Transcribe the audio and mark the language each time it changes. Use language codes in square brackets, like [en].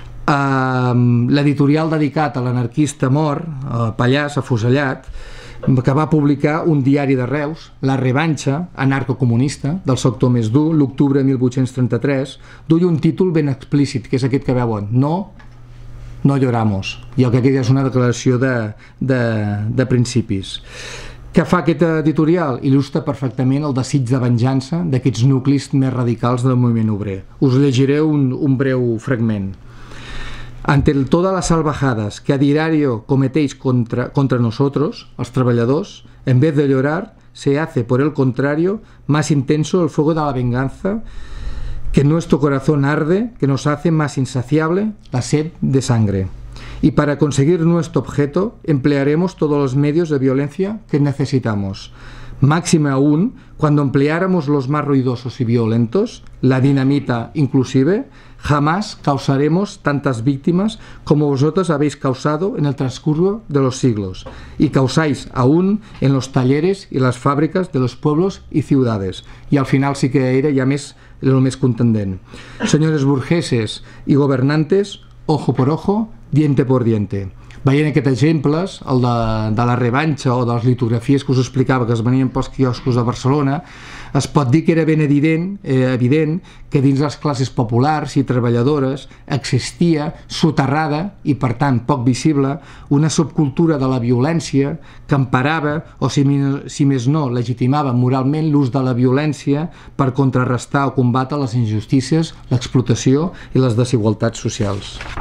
[ca] L'editorial dedicat a l'anarquista mort, Pallàs, afusellat, que va publicar un diari de Reus, La Revanxa, anarcocomunista, del sector més dur, l'octubre de 1833, duia un títol ben explícit, que és aquest que veuen, No lloramos, i el que aquí és una declaració de principis. Què fa aquest editorial? Il·lustra perfectament el desig de venjança d'aquests nuclis més radicals del moviment obrer. Us llegiré un breu fragment. [es] Ante todas las salvajadas que a diario cometéis contra nosotros, los trabajadores, en vez de llorar, se hace, por el contrario, más intenso el fuego de la venganza que nuestro corazón arde, que nos hace más insaciable la sed de sangre. Y para conseguir nuestro objeto, emplearemos todos los medios de violencia que necesitamos. Máxime aún, cuando empleáramos los más ruidosos y violentos, la dinamita inclusive, jamás causaremos tantas víctimas como vosotros habéis causado en el transcurso de los siglos y causáis aún en los talleres y las fábricas de los pueblos y ciudades. Y al final sí que era ya más, lo más contundente. Señores burgueses y gobernantes, ojo por ojo, diente por diente. [ca] Veient aquests exemples, el de la revanxa o de les litografies que us explicava que es venien pels quioscos de Barcelona, es pot dir que era ben evident que dins les classes populars i treballadores existia, soterrada i per tant poc visible, una subcultura de la violència que emparava o, si més no, legitimava moralment l'ús de la violència per contrarrestar o combatre les injustícies, l'explotació i les desigualtats socials.